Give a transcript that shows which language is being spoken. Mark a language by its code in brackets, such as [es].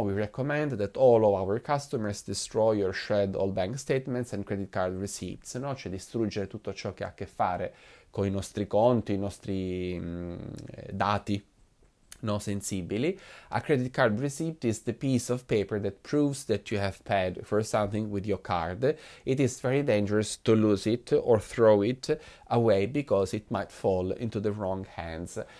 [en] We recommend that all of our customers destroy or shred all bank statements and credit card receipts, no? [it] Cioè distruggere tutto ciò che ha a che fare con i nostri conti, i nostri dati, no, sensibili. [en] A credit card receipt is the piece of paper that proves that you have paid for something with your card. It is very dangerous to lose it or throw it away because it might fall into the wrong hands.